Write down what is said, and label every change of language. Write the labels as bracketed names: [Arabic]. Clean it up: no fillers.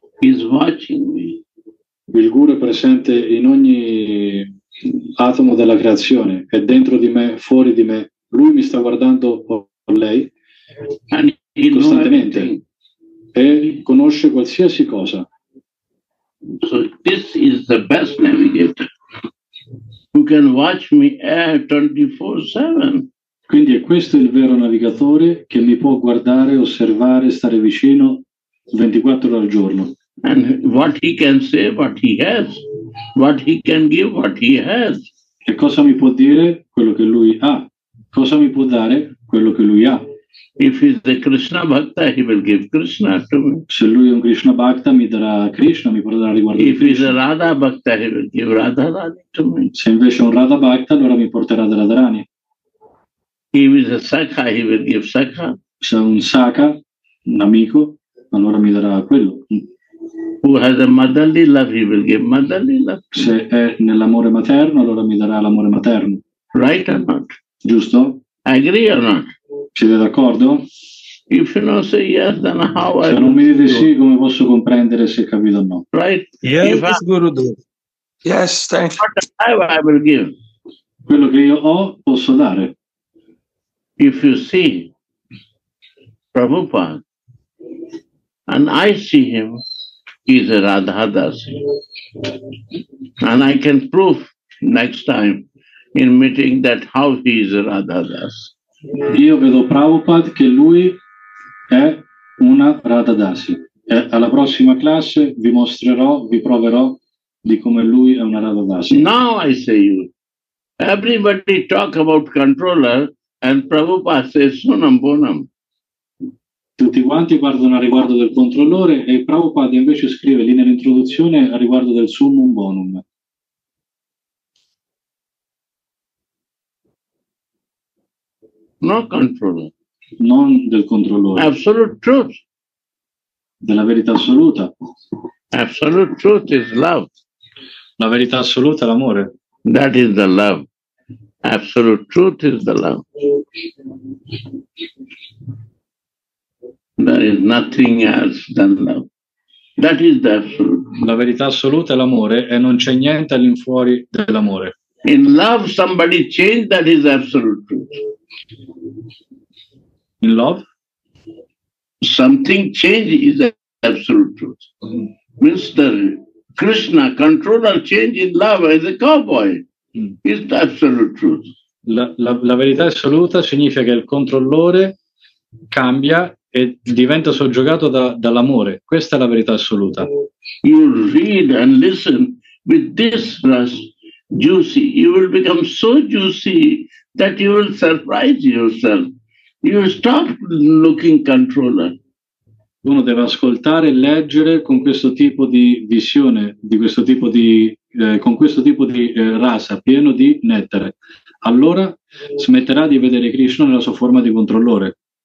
[English] He's watching me. [Italian] Il Guru è presente in ogni atomo della creazione. È dentro di me, fuori di me. Lui mi sta guardando lei costantemente e conosce qualsiasi cosa. [English] So this is the best navigator who can watch me 24/7. [Italian] Quindi è questo il vero navigatore che mi può guardare, osservare, stare vicino 24 ore al giorno. [English] And what he can say, what he has, what he can give, what he has. [Italian] E cosa mi può dire? Quello che lui ha. Cosa mi può dare? Quello che lui ha. [English] If he's the Krishna Bhakta, he will give Krishna to me. [Italian] Se lui è un Krishna Bhakta, mi darà Krishna, mi potrà riguardare. [English] If he's a Radha Bhakta, he will give Radha Rani to me. [Italian] Se invece è un Radha Bhakta, allora mi porterà della Radharani. [English] If he's a Sakha, he will give Sakha. [Italian] Se è un Sakha, un amico, allora mi darà quello. [English] Who has a motherly love, he will give motherly love. [Italian] Se è nell'amore materno, allora mi darà l'amore materno. [English] Right or not? [Italian] Giusto? [English] Agree or not? [Italian] Siete d'accordo? [English] If you don't say yes, then how [Italian] se non mi dite sì, come posso comprendere se capito o no? [English] Right? Yes, Gurudev. Yes, thank you. What I will give. [Italian] Quello che io ho, posso dare. [English] If you see Prabhupada, and I see him, he's a Radha Dasi. And I can prove next time in meeting that how he is Radhadas. [Italian] Io vedo Prabhupada che lui è una Radhadasi. E alla prossima classe vi mostrerò, vi proverò di come lui è una Radhadasi. [English] Now I say you, everybody talk about controller and Prabhupada says sunam bonam. [Italian] Tutti quanti guardano a riguardo del controllore e Prabhupada invece scrive lì nell'introduzione a riguardo del summum bonum. [English] No controller. [Italian] Non del controllore. [English] Absolute truth. [Italian] Della verità assoluta. [English] Absolute truth is love. [Italian] La verità assoluta è l'amore. [English] That is the love. Absolute truth is the love. There is nothing else than love. That is the absolute. [Italian] La verità assoluta è l'amore e non c'è niente all'infuori dell'amore. [English] In love somebody change, that is absolute truth. In love? Something change is absolute truth. Mr. Krishna, controller change in love as a cowboy. Is the absolute truth. [Italian] La verità assoluta significa che il controllore cambia e diventa soggiogato dall'amore. Questa è la verità assoluta. [English] You read and listen with this rush, juicy. You will become so juicy that you will surprise yourself. You stop looking controller. [Italian] Uno deve ascoltare e leggere con questo tipo di visione, di questo tipo di con questo tipo di rasa, pieno di nettare. Allora smetterà di vedere Krishna nella sua forma di controllore.